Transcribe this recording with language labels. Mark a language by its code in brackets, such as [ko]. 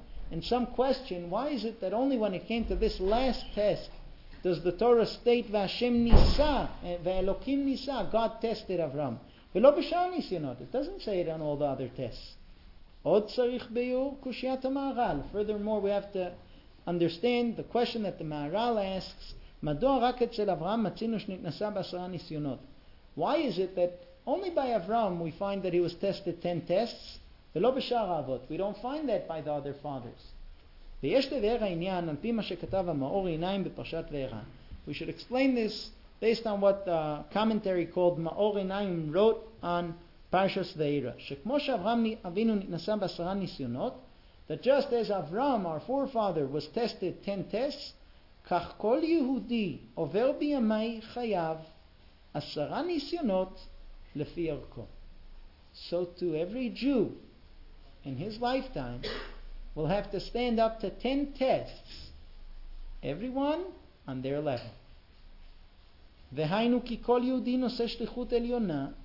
[en] And some question, why is it that only when it came to this last test does the Torah state [he] Vashem Nisa, Ve'elokim Nisa, [en] God tested Avram? It doesn't say it on all the other tests. [he] עוד צריך ביור קושיית המהר"ל. [en] Furthermore, we have to understand the question that the Maharal asks, [he] מדוע רק אצל אברהם מצינו שנתנסה בעשרה ניסיונות? [en] Why is it that only by Avram we find that he was tested 10 tests, [he] ולא בשאר האבות? [en] We don't find that by the other fathers. [he] ויש לבאר העניין, על פי מה שכתב המאור עיניים בפרשת וערה. [en] We should explain this based on what the commentary called מאור עיניים wrote on Parshas Veira, [he] שכמו שאברהם אבינו נתנסה בעשרה ניסיונות, [en] that just as Avram, our forefather, was tested 10 tests, [he] כך כל יהודי עובר בימי חייו עשרה ניסיונות לפי ערכו. [en] So to every Jew in his lifetime will have to stand up to 10 tests, everyone on their level. [he] והיינו כי כל יהודי נושא שליחות עליונה.